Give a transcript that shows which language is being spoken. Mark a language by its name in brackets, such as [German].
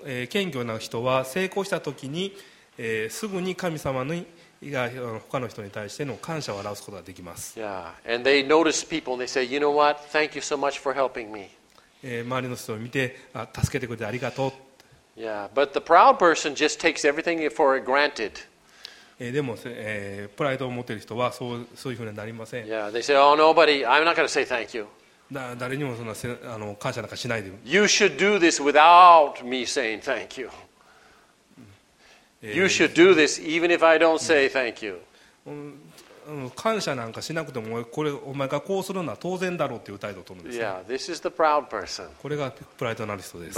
[Japanese] 謙虚な人は成功したときに、すぐに神様に他の人に対しての感謝を表すことができます。 [English] Yeah, and they notice people and they say, you know what? Thank you so much for helping me. [Japanese] 周りの人を見て、あ、助けてくれてありがとう。 [English] Yeah, but the proud person just takes everything for granted. [Japanese] でも、プライドを持っている人はそういうふうになりません。 [English] Yeah, they say, oh, nobody, I'm not going to say thank you. [Japanese] だ誰にもそんなせあの感謝なんかしないで。 [English] You should do this without me saying thank you. You should do this even if I don't say thank you.、 [Japanese] 感謝なんかしなくてもこれお前がこうするのは当然だろうという態度を取るんですね。 [English] Yeah, this is the proud person. [Japanese] これがプライドのある人です。